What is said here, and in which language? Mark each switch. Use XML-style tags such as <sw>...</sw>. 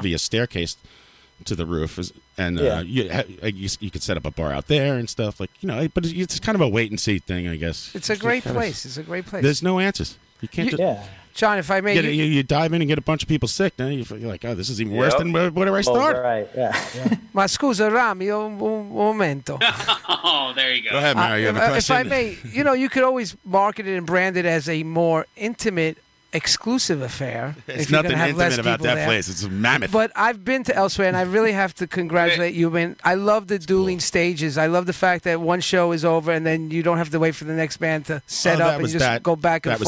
<en>via staircase to the roof, and you could set up a bar out there and stuff, like, you know. But it's kind of a wait and see thing, I guess. It's a great place. It's a great place. There's no answers. You can't. John, if I may, you dive in and get a bunch of people sick. Then you're like, oh, this is even worse than whatever I started. Oh, right. Yeah.</en> <it>Ma scusa, Rami, un momento.</it> <en>Oh, there you go. Go ahead, Mario. You have a question? If I may, you know, you could always market it and brand it as a more intimate, exclusive affair. It's nothing intimate about that place. It's a mammoth. But I've been to Elsewhere, and I really have to congratulate you. Man, I love the dueling stages. I love the fact that one show is over, and then you don't have to wait for the next band to set up and just go back and forth.</en>